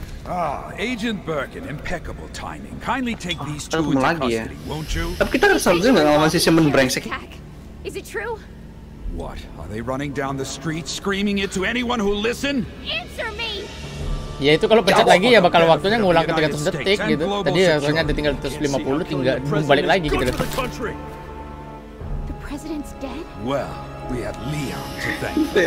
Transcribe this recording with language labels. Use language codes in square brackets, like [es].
[en] Ah, Agent Birkin, impeccable timing. Kindly take these two into custody, won't you? [id] Tapi kita harus sambil nggak sama si Simon brengsek. [en] Is it true? What? Are they running down the street screaming it to anyone who listen? Answer me. [id] Ya itu kalau pencet lagi ya bakal waktunya ngulang ke 300 detik gitu. Tadi rasanya ada tinggal 150 tinggal balik lagi gitu. [en] The president's dead? Well, we have Leon to thank.